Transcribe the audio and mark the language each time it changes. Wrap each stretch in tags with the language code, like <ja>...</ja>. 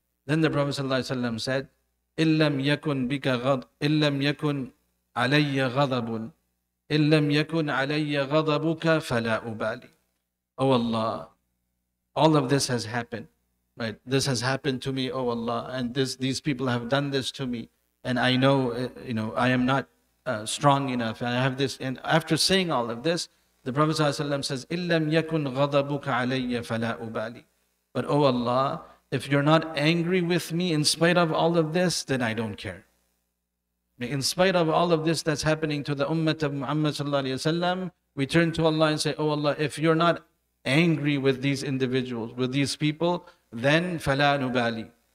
<en>Then the Prophet sallallahu alaihi wasallam said,</en> <ar>"illam yakun bika ghad, illam yakun علي غضب, إن لم يكن علي غضبك فلا أبالي."</ar> <en>Oh Allah, all of this has happened, right? This has happened to me, oh Allah, and these people have done this to me, and I know, you know, I am not strong enough, and I have this. And after saying all of this, the Prophet صلى الله عليه وسلم says,</en> <ar>"إن لم يكن غضبك علي فلا أبالي."</ar> <en>But oh Allah, if you're not angry with me in spite of all of this, then I don't care. In spite of all of this that's happening to the ummah of Muhammad sallallahu alayhi wa sallam, we turn to Allah and say, "Oh Allah, if you're not angry with these individuals, with these people, then</en> <ar>فَلَا نُبَالِي."</ar>